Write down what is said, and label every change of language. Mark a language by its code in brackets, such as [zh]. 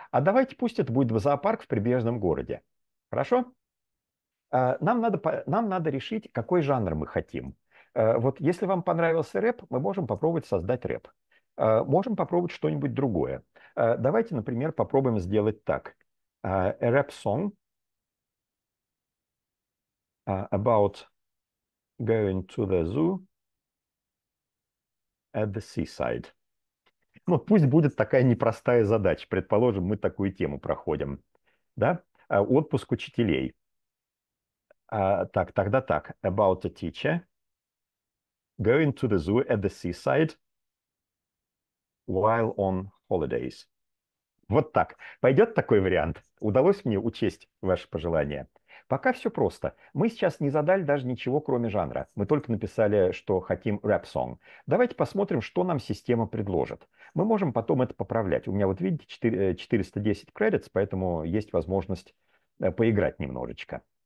[ru] А давайте пусть это будет в зоопарк в прибрежном городе. Хорошо? Нам надо решить, какой жанр мы хотим. Вот если вам понравился рэп, мы можем попробовать создать рэп. Можем попробовать что-нибудь другое. Давайте, например, попробуем сделать так. [en] A rap song about going to the zoo at the seaside. [ru] Ну, пусть будет такая непростая задача. Предположим, мы такую тему проходим. Да? Отпуск учителей. Так, тогда так. [en] About a teacher going to the zoo at the seaside while on holidays. [ru] Вот так. Пойдет такой вариант? Удалось мне учесть ваши пожелания? Пока все просто. Мы сейчас не задали даже ничего, кроме жанра. Мы только написали, что хотим рэп-сонг. Давайте посмотрим, что нам система предложит. Мы можем потом это поправлять. У меня, вот видите, 410 credits, поэтому есть возможность поиграть немножечко.